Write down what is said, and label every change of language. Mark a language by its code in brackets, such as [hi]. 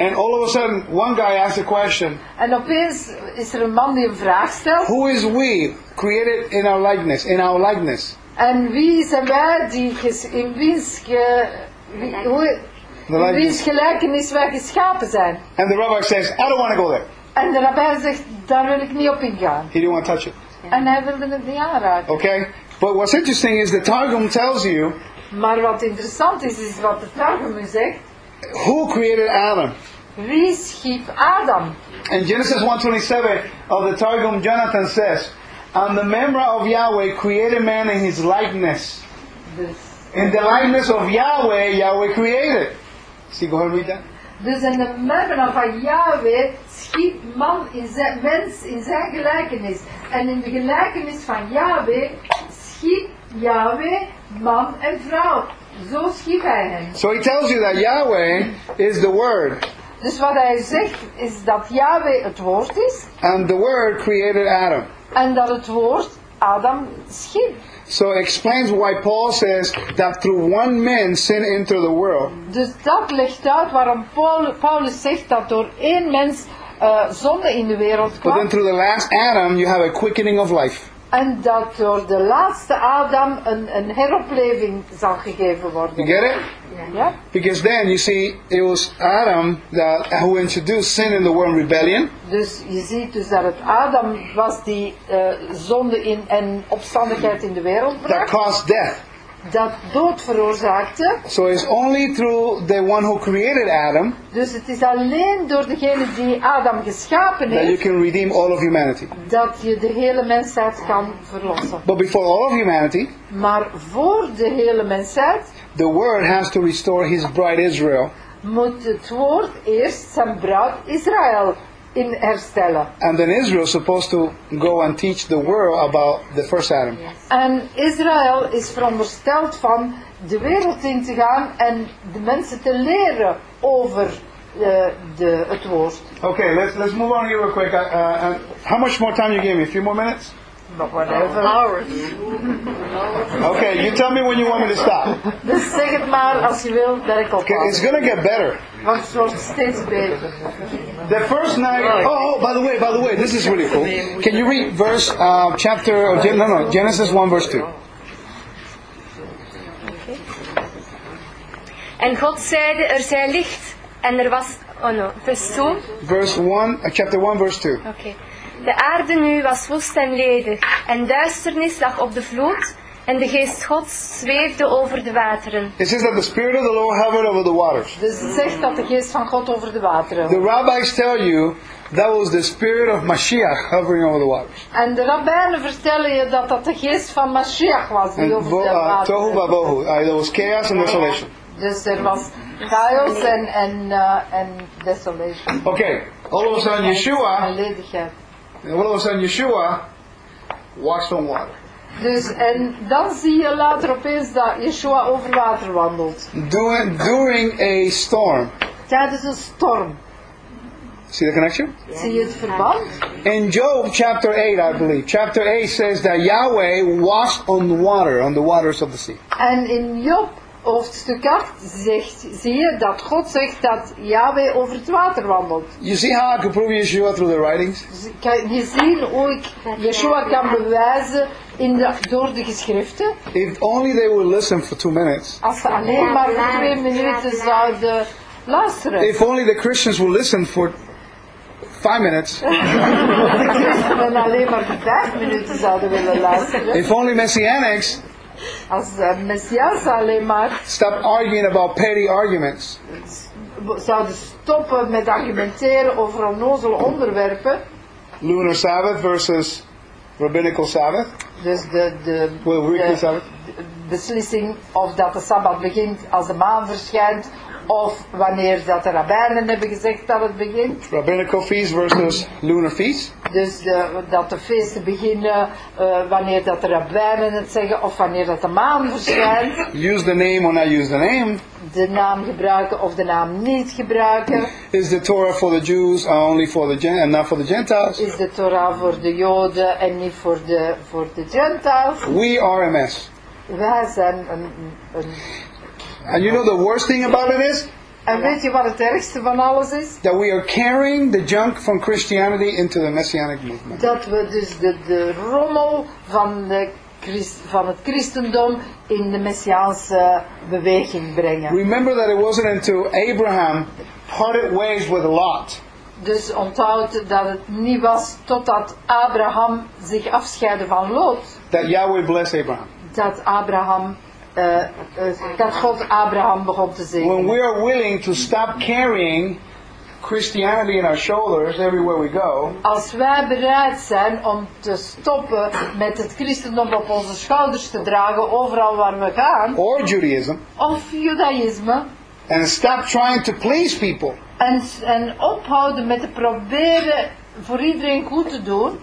[en] And all of a sudden, one guy asks a question. [nl] En opeens is er een man die een vraag stelt. [en] Who is we created in our likeness? [nl] En wie zijn wij die in wiens gelijkenis wij geschapen zijn? [en] And the rabbi says, I don't want to go there. [nl] En de rabbi zegt, daar wil ik niet op ingaan. [en] He didn't want to touch it. [nl] En hij wilde het niet aanraken. [en] Okay, but what's interesting is the Targum tells you. [nl] Maar wat interessant is, is wat de Targum zegt. [en] Who created Adam? [nl] Wie schiep Adam? [en] In Genesis 1:27 of the Targum, Jonathan says, and the member of Yahweh created man in his likeness. In the likeness of Yahweh, Yahweh created. See, go ahead and read that. [nl] Dus in de member van Yahweh schiep man in zijn mens in zijn gelijkenis. En in de gelijkenis van Yahweh schiep Yahweh man en vrouw. Zo schiep hij hen. [en] So he tells you that Yahweh is the word. [nl] Dus wat hij zegt is dat Yahweh het woord is. [en] And the word created Adam. [nl] En dat het woord Adam schiep. [en] So it explains why Paul says that through one man sin entered the world. [nl] Dus dat legt uit waarom Paulus zegt dat door één mens zonde in de wereld kwam. [en] But then through the last Adam you have a quickening of life. [nl] En dat door de laatste Adam een heropleving zal gegeven worden. [en] You get it? Yeah. Because then you see it was Adam that who introduced sin in the world and rebellion. [nl] Dus je ziet dus dat het Adam was die zonde in en opstandigheid in de wereld bracht. [en] That caused death. [nl] Dat dood veroorzaakte. [en] So it's only through the one who created Adam. [nl] Dus het is alleen door degene die Adam geschapen heeft. [en] That you can redeem all of humanity. [nl] Dat je de hele mensheid kan verlossen. [en] But before all of humanity. [nl] Maar voor de hele mensheid. [en] The word has to restore his bride Israel. [nl] Moet het woord eerst zijn bruid Israël in herstellen. [en] And then Israel is supposed to go and teach the world about the first Adam. [nl] En Israël is verondersteld van de wereld in te gaan en de mensen te leren over het woord. [en] Okay, let's move on here real quick. How much more time you gave me? A few more minutes? Okay, you tell me when you want me to stop. [nl] Dus zeg het maar als je wil dat ik op. [en] It's gonna get better. [nl] Want het wordt steeds beter. [en] The first night. Oh, by the way, this is really cool. Can you read verse, chapter? No, Genesis 1, verse 2. [nl] En God zeide, er zij licht, en er was. [en] Oh no, verse 2. Verse 1, chapter 1, verse 2. Okay. [nl] De aarde nu was woest en ledig, en duisternis lag op de vloed, en de geest Gods zweefde over de wateren. [en] It says that the spirit of the Lord hovered over the waters. [nl] Dus het zegt dat de geest van God over de wateren. [en] The rabbis tell you that was the spirit of Mashiach hovering over the waters. [nl] En de rabbijnen vertellen je dat dat de geest van Mashiach was die over de wateren. [he] Tohu babohu. [en] There was chaos and desolation. [nl] Dus er was chaos en desolation. [en] Okay, all of a sudden Yeshua. [nl] Ledigheid. [en] And all of a sudden Yeshua walks on water. [nl] Dus en dan zie je later opeens dat Yeshua over water wandelt. [en] During a storm. [nl] Tijdens een storm. [en] See the connection? [nl] Zie je het verband? [en] In Job chapter 8, I believe. Chapter 8 says that Yahweh walks on the waters of the sea. [nl] En in Job hoofdstuk 8 zegt, zie je dat God zegt dat Yahweh over het water wandelt. [en] You see how I can prove Yeshua through the writings? [nl] Je ziet hoe ik Yeshua kan bewijzen in de, door de geschriften. [en] If only they would listen for 2 minutes. [nl] Als ze alleen maar voor 2 minuten zouden luisteren. [en] If only the Christians would listen for 5 minutes. [nl] De Christen alleen maar voor 5 minuten zouden willen luisteren. [en] If only Messianics. [nl] Als Messias alleen maar. [en] Stop arguing about petty arguments. [nl] Zouden stoppen met argumenteren over onnozele onderwerpen. [en] Lunar Sabbath versus Rabbinical Sabbath. [nl] Dus [en] weekly Sabbath. [nl] De beslissing of dat de Sabbat begint als de maan verschijnt. Of wanneer dat de rabbijnen hebben gezegd dat het begint. [en] Rabbinical feast versus lunar feast. [nl] Dus dat de feesten beginnen wanneer dat de rabbijnen het zeggen of wanneer dat de maan verschijnt. [en] Use the name or not use the name. [nl] De naam gebruiken of de naam niet gebruiken. [en] Is the Torah for the Jews only for the and not for the Gentiles? [nl] Is de Torah voor de Joden en niet voor de Gentiles? [en] We are a mess. [nl] Wij zijn een [en] And you know the worst thing about it is? [nl] En weet je wat het ergste van alles is? [en] That we are carrying the junk from Christianity into the Messianic movement. [nl] Dat we dus de rommel van de van het christendom in de messiaanse beweging brengen. [en] Remember that it wasn't until Abraham parted ways with Lot. [nl] Dus onthoud dat het niet was totdat Abraham zich afscheidde van Lot. [en] That Yahweh bless Abraham. [nl] Dat Abraham dat God Abraham begon te zegenen. [en] When we are willing to stop carrying Christianity in our shoulders everywhere we go. [nl] Als wij bereid zijn om te stoppen met het christendom op onze schouders te dragen overal waar we gaan. [en] Or Judaism. [nl] Of Judaïsme. [en] And stop trying to please people. [nl] En ophouden met te proberen voor iedereen goed te doen.